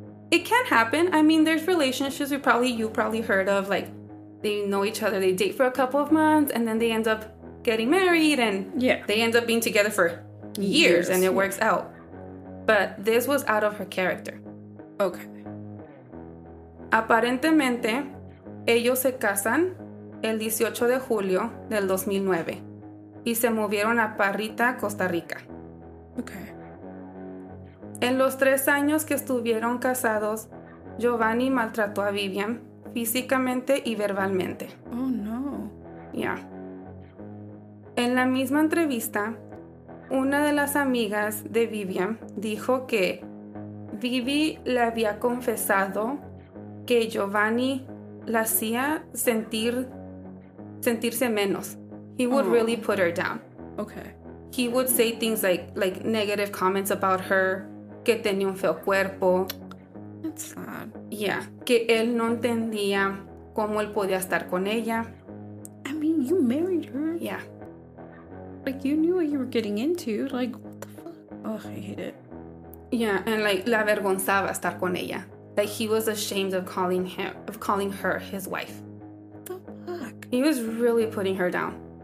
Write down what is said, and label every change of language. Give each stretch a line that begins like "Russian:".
English: It can happen. I mean, there's relationships you probably heard of. Like, they know each other. They date for a couple of months and then they end up getting married. And they end up being together for years and it works out. But this was out of her character. Okay.
Spanish: Aparentemente, ellos se casan el 18 de julio del 2009 y se movieron a Parrita, Costa Rica.
English: Okay.
Spanish: En los 3 años que estuvieron casados, Giovanni maltrató a Viviam físicamente y verbalmente.
English: Oh, no. Yeah.
Spanish: En la misma entrevista, una de las amigas de Viviam dijo que Vivi le había confesado que Giovanni la hacía sentirse menos.
English: He would really put her down. Okay. He would say things like negative comments about her,
Spanish: que tenía un feo cuerpo.
English: That's sad. Yeah.
Spanish: Que él no entendía cómo él podía estar con ella.
English: I mean, you married her. Yeah. Like, you knew what you were getting into. Like, what the fuck? Ugh, I hate it. Yeah, and, like,
Spanish: la avergonzaba estar con ella.
English: Like, he was ashamed of calling her his wife. What the fuck? He was really putting her down.